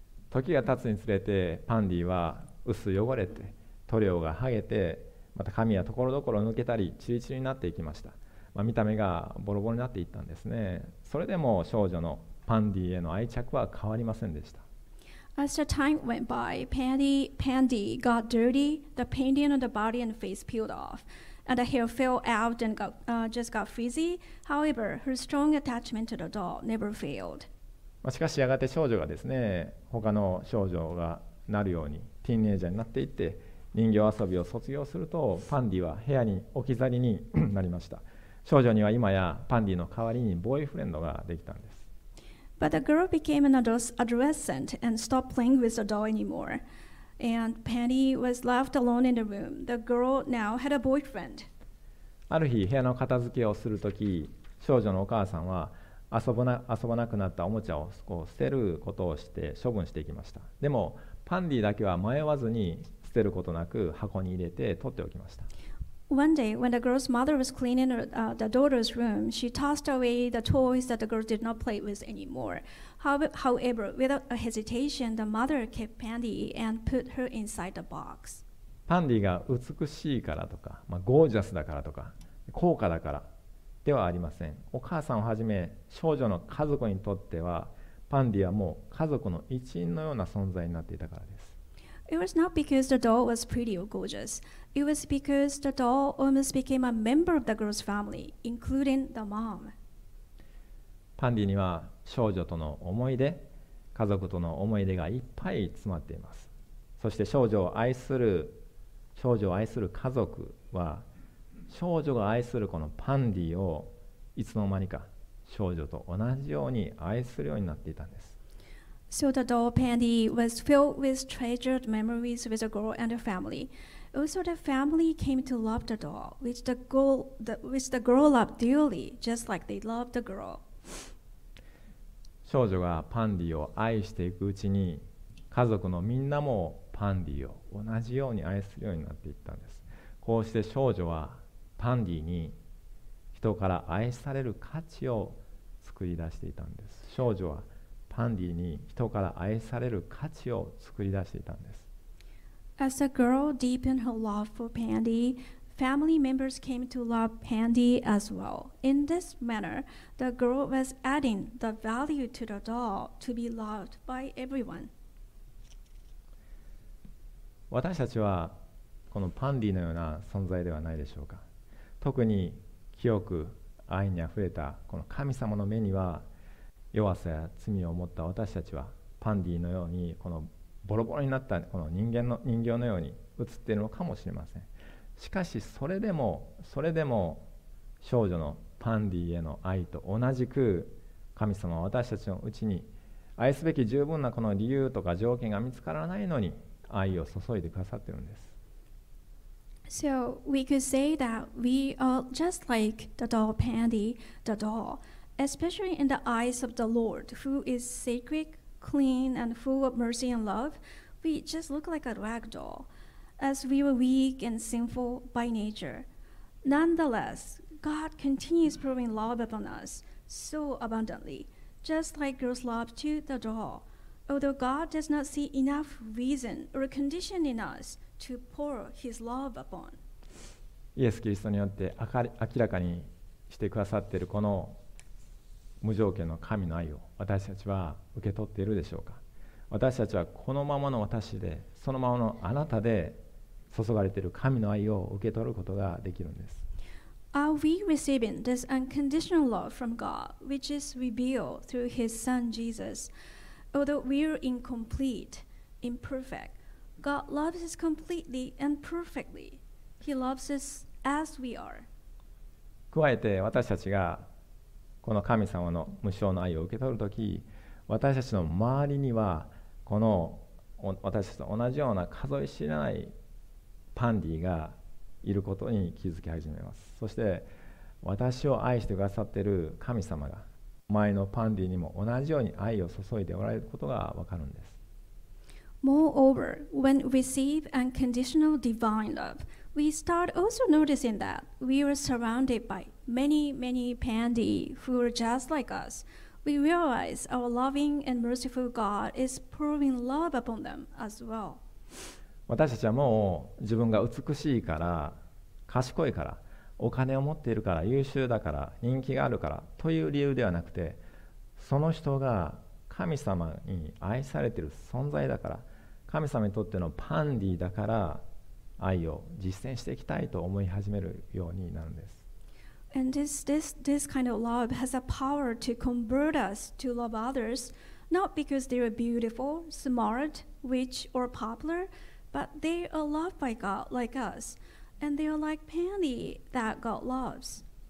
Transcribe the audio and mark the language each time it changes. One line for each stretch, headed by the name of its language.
Japanese: 時が経つにつれて、パンディは薄汚れて、塗料が剥げて、また髪はところどころ抜けたり、チリチリになっていきました。まあ、見た目がボロボロになっていったんですね。それでも少女のパンディへの愛着は変わりませんでした。
English: As the time went by, Pandy got dirty, the painting on the body and face peeled off, and the hair fell out and got frizzy. However, her strong attachment to the doll never failed.
Japanese: しかしやがて少女がですね、他の少女がなるようにティーンエイジャーになっていって人形遊びを卒業すると、パンディは部屋に置き去りになりました。少女には今やパンディの代わりにボーイフレンドができたんです。
English: But the girl became an adolescent and stopped playing with the doll anymore. And Penny was left alone in the room. The girl now had a boyfriend.
Japanese: ある日、部屋の片付けをするとき、少女のお母さんは遊ばなくなったおもちゃをこう捨てることをして処分していきました。でも、パンディだけは迷わずに捨てることなく箱に入れて取っておきました。
English: One day, when the girl's mother was cleaning the daughter's room, she tossed away the toys that the girl did not play with anymore. However, without a hesitation, the mother kept Pandy and put her inside the box.
Japanese: Pandy が美しいからとか、まあ、ゴージャスだからとか、高価だからではありません。お母さんをはじめ、少女の家族にとっては、Pandy はもう家族の一員のような存在になっていたからです。
English: It was not because the doll was pretty or gorgeous. It was because the doll almost became a member of the girl's family, including the mom.
Japanese: パンディには少女との思い出、家族との思い出がいっぱい詰まっています。そして少女を愛する家族は、少女が愛するこのパンディをいつの間にか少女と同じように愛するようになっていたんです。
English: So the doll Pandy was filled with treasured memories with the girl and her family. Also, the family came to love the doll, which the girl loved dearly, just like they loved the girl.
Japanese: 少女がパンディを愛していくうちに、家族のみんなもパンディを同じように愛するようになっていったんです。こうして少女はパンディに人から愛される価値を作り出していたんです。少女はパンディに人から愛される価値を作り出していたんです。
English: As the girl deepened her love for Pandy, family members came to love Pandy as well. In this manner, the girl was adding the value to the doll to be loved by everyone.
Japanese: 私たちはこのパンディのような存在ではないでしょうか。特に清く愛にあふれたこの神様の目には弱さや罪を持った私たちはパンディのようにこのボロボロになったこの人形のように映っているのかもしれません。しかしそれでも少女のパンディへの愛と同じく神様は私たちのうちに愛すべき十分なこの理由とか条件が見つからないのに愛を注いでくださっているんです。
English: So we could say that we are just like the doll Pandy, the doll. Especially in the eyes of the Lord, who is sacred, clean, and full of mercy and love, we just look like a rag doll, as we were weak and sinful by nature. Nonetheless, God continues pouring love upon us so abundantly, just like girls' love to the doll. Although God does not see enough reason or condition in us to pour His love upon.
Japanese: イエス・キリストによって明らかにしてくださっているこの無条件の神の愛を私たちは受け取っているでしょうか。私たちはこのままの私で、そのままのあなたで注がれている神の愛を受け取ることができるんです。
English: Are we receiving this unconditional love from God, which is revealed through His Son Jesus? Although we are incomplete, imperfect, God loves us completely and perfectly. He loves us as we are.
Japanese: 加えて私たちがこの神様の無償の愛を受け取るとき、私たちの周りにはこの私たちと同じような数え知れないパンディがいることに気づき始めます。そして私を愛してくださっている神様が前のパンディにも同じように愛を注いでおられることがわかるんです。
English: Moreover, when we receive unconditional divine love, we start also noticing that we are surrounded by many, many Pandy who are just like us. We realize our loving and merciful God is pouring love upon them as well.
Japanese: 私たちはもう自分が美しいから、賢いから、お金を持っているから、優秀だから、人気があるからという理由ではなくて、その人が神様に愛されている存在だから、神様にとってのパンディだから愛を実践していきたいと思い始めるようになるんです。
English: And this kind of love has a power to convert us to love others, not because they are beautiful, smart, rich, or popular, but they are loved by God like us, and they are like pandy that God loves.